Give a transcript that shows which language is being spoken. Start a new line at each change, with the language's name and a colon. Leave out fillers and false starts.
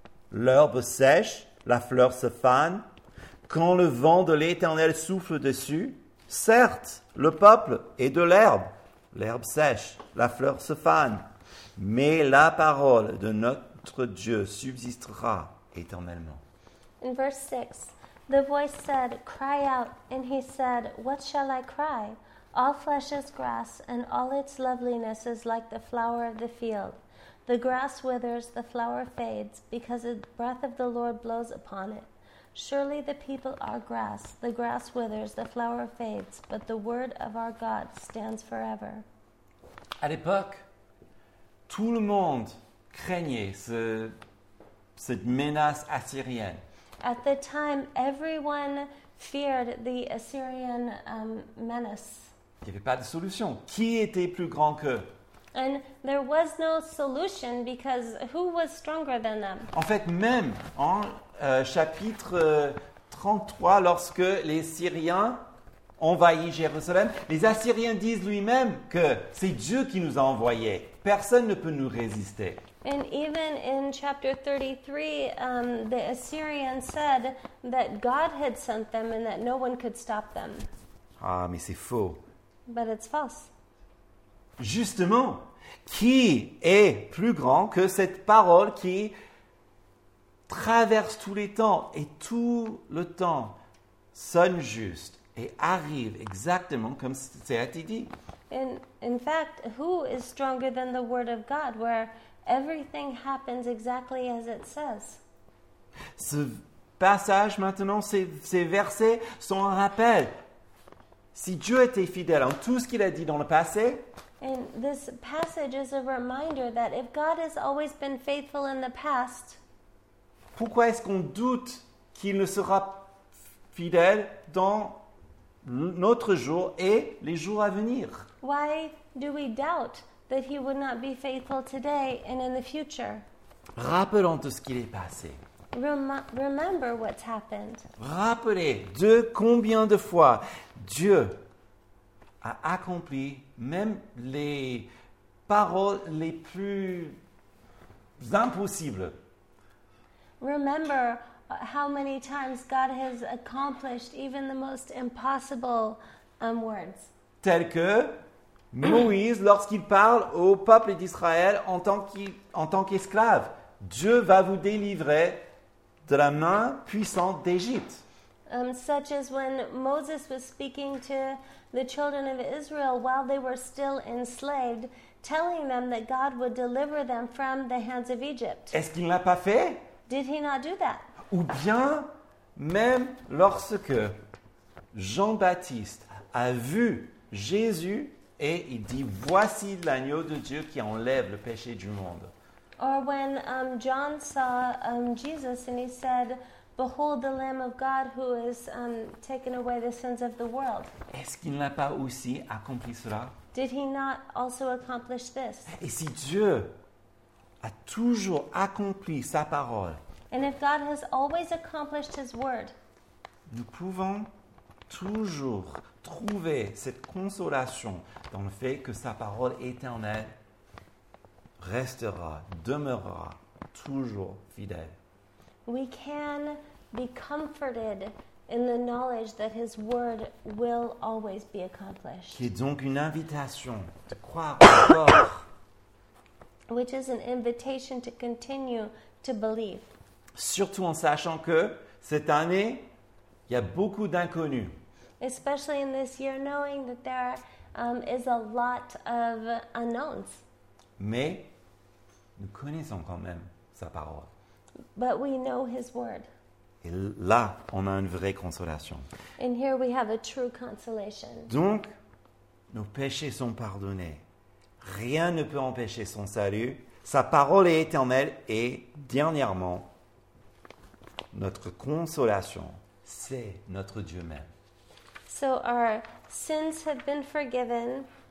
French: L'herbe sèche, la fleur se fane, quand le vent de l'éternel souffle dessus, Certes, le peuple est de l'herbe. L'herbe sèche, la fleur se fane. Mais la parole de notre Dieu subsistera éternellement.
English: In verse 6, the voice said, cry out. And he said, what shall I cry? All flesh is grass, and all its loveliness is like the flower of the field. The grass withers, the flower fades, because the breath of the Lord blows upon it. Surely the people are grass, the grass withers, the flower fades, but the word of our God stands forever.
French: À l'époque, tout le monde craignait cette menace assyrienne.
English: At the time, everyone feared the Assyrian menace.
French: Il n'y avait pas de solution. Qui était plus grand qu'eux?
English: And there was no solution because who was stronger than them?
French: En fait, même en chapitre 33, lorsque les Syriens envahissent Jérusalem, les Assyriens disent lui-même que c'est Dieu qui nous a envoyés. Personne ne peut nous résister.
English: And even in chapter 33, the Assyrians said that God had sent them and that no one could stop them.
French: Ah, mais c'est faux.
English: But it's false.
French: Justement, qui est plus grand que cette parole qui traverse tous les temps et tout le temps sonne juste et arrive exactement comme c'est dit?
English: In fact, who is stronger than the word of God where everything happens exactly as it says?
French: Ce passage maintenant, ces versets sont un rappel. Si Dieu était fidèle en tout ce qu'il a dit dans le passé,
English: and this passage is a reminder that if God has always been faithful in the past,
French: pourquoi est-ce qu'on doute qu'il ne sera fidèle dans notre jour et les jours à venir?
English: Why do we doubt that he would not be faithful today and in the future?
French: Rappelons de ce qu'il est passé.
English: Remember what's happened.
French: Rappelez de combien de fois Dieu a accompli même les paroles les plus impossibles.
English: Remember how many times God has accomplished even the most impossible words.
French: Tel que Moïse, lorsqu'il parle au peuple d'Israël en tant qu'esclave, Dieu va vous délivrer de la main puissante d'Égypte.
English: Such as when Moses was speaking to the children of Israel while they were still enslaved, telling them that God would deliver them from the hands of Egypt.
French: Est-ce qu'il ne l'a pas fait?
English: Did he not do that?
French: Ou bien, même lorsque Jean-Baptiste a vu Jésus et il dit, voici l'agneau de Dieu qui enlève le péché du monde.
English: Or when John saw Jesus and he said, behold the Lamb of God who has taken away the sins of the world.
French: Est-ce qu'il n'a pas aussi accompli cela?
English: Did he not also accomplish this?
French: Et si Dieu a toujours accompli sa parole,
English: and if God has always accomplished his word,
French: nous pouvons toujours trouver cette consolation dans le fait que sa parole éternelle restera, demeurera toujours fidèle.
English: We can be comforted in the knowledge that his word will always be accomplished.
French: Qui est donc une invitation de croire encore.
English: Which is an invitation to continue to believe.
French: Surtout en sachant que cette année, il y a beaucoup d'inconnus.
English: Especially in this year, knowing that there is a lot of unknowns.
French: Mais nous connaissons quand même sa parole.
English: But we know his word.
French: Et là, on a une vraie consolation.
English: And here we have a true consolation.
French: Donc, nos péchés sont pardonnés. Rien ne peut empêcher son salut. Sa parole est éternelle. Et dernièrement, notre consolation, c'est notre Dieu même.
English: So our sins have been forgiven.